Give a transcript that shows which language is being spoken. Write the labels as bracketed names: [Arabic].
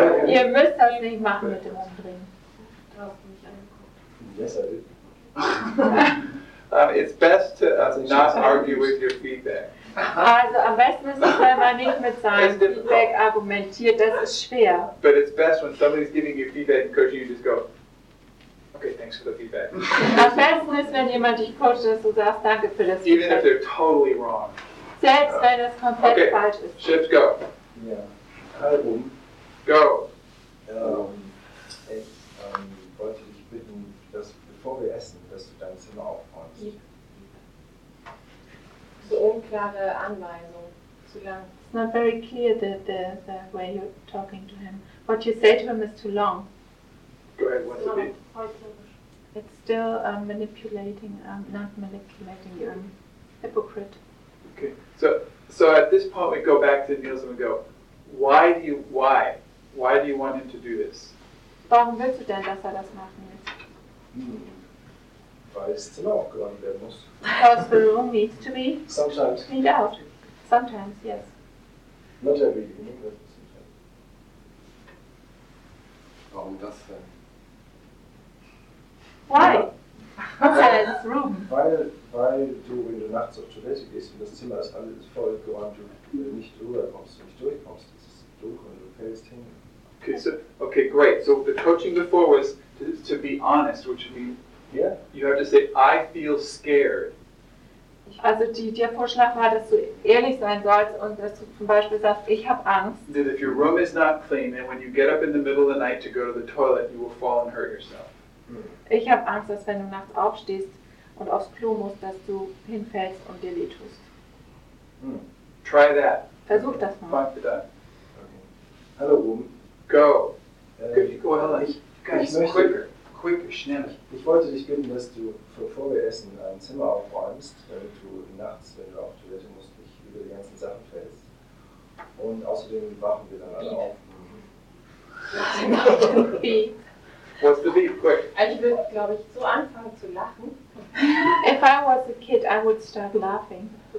[German] Ihr müsst das nicht machen mit dem Umdrehen. Du hast mich angeguckt. [English] Yes, I did. It's best to not argue with your feedback. [German] Also am besten ist es, wenn man nicht mit seinem Feedback argumentiert. Das ist schwer. [English] But it's best when somebody's giving you feedback and coaching you just go, okay, thanks for the feedback. [German] Am besten ist, wenn jemand dich coacht, dass du sagst, danke für das [English] Feedback. Even if they're totally wrong. [German] Selbst wenn es komplett falsch ist. [English] Shift go. [German] Ja. Album. [English] Go. [German] Ich wollte dich bitten, dass bevor wir essen, dass du dein Zimmer aufräumst. [English] It's not very clear the way you're talking to him. What you say to him is too long. Go ahead, what's the beep? It's still manipulating, not manipulating, hypocrite. Okay, so at this point we go back to Nils and we go, why do you want him to do this? [German] Warum willst du denn, dass er das macht, Nils? Weil das Zimmer aufgeräumt werden muss. [English] Because the room needs to be sometimes cleaned out. Sometimes, yes. Not every evening, but sometimes. [German] Warum das denn? [English] Why? Because the room. [German] Weil du, wenn du nachts auf Toilette gehst und das Zimmer ist alles voll geräumt, du nicht rüberkommst, du nicht durchkommst, es ist dunkel und du fällst hin. [English] Okay, great. So the coaching before was to be honest, which would be. Yeah. You have to say, I feel scared. [German] Also der Vorschlag war, dass du ehrlich sein sollst und dass du zum Beispiel sagst, ich habe Angst. [English] That if your room is not clean, then when you get up in the middle of the night to go to the toilet, you will fall and hurt yourself. [German] Ich habe Angst, dass wenn du nachts aufstehst und aufs Klo musst, dass du hinfällst und dir wehtust. [English] Try that. [German] Versuch das mal. [English] Fuck it up. Hello, room. Go. Quicker, [German] schneller. Ich wollte dich bitten, dass du, bevor wir essen, ein Zimmer aufräumst, damit du nachts, wenn du auf Toilette musst, nicht über die ganzen Sachen fällst. Und außerdem wachen wir dann alle auf. [English] Beep. What's the beep? Quick. [German] Also ich würde, glaube ich, so anfangen zu lachen. [English] If I was a kid, I would start laughing.